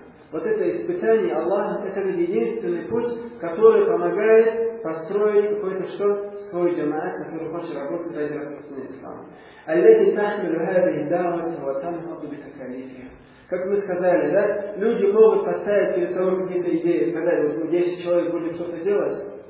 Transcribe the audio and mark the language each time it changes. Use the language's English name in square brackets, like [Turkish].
[Russian] Вот это испытание Аллаха, это единственный путь, который помогает построить какой-то что? Свой джамаат, который хочет работать ради распространения ислама. [Arabic] الذي تحمل هذه الدعوة وتنهض بتكاليفها. [Russian] Как мы сказали, да, люди могут поставить перед собой какие-то идеи, сказать, вот 10 человек будет что-то делать.